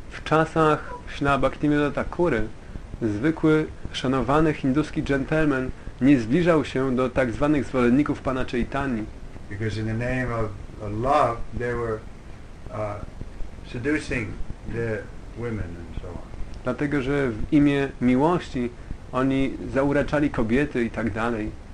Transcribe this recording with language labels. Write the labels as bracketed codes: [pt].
[pl] W czasach Śla Bhaktivinoda Thakury zwykły, szanowany hinduski gentleman nie zbliżał się do tak zwanych zwolenników Pana Chaitani. [en] Because in the name of love they were seducing the women and so on. [pl] Dlatego, że w imię miłości oni zauraczali kobiety i tak dalej.